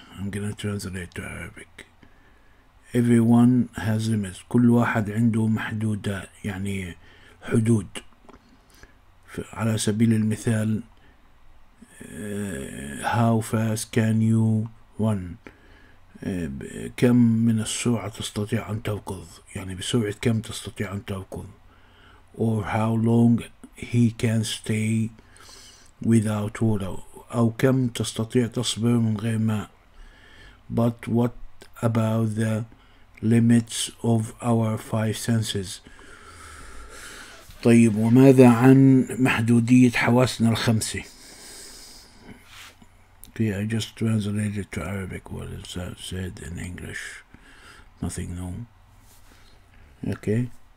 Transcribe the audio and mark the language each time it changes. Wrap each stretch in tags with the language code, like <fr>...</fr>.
<en>I'm gonna translate to Arabic. Everyone has limits.</en> <ar>كل واحد عنده محدودات, يعني حدود. على سبيل المثال,</ar> <en>how fast can you run?</en> <ar>كم من السرعة تستطيع أن تركض؟ يعني بسرعة كم تستطيع أن تركض؟</ar> <en>Or how long he can stay without water?</en> <ar>أو كم تستطيع تصبر من غير ماء؟</ar> <en>But what about the limits of our five senses?</en> <ar>طيب وماذا عن محدودية حواسنا الخمسة؟</ar> <en>Okay, I just translated to Arabic what is said in English. Nothing new. Okay.</en>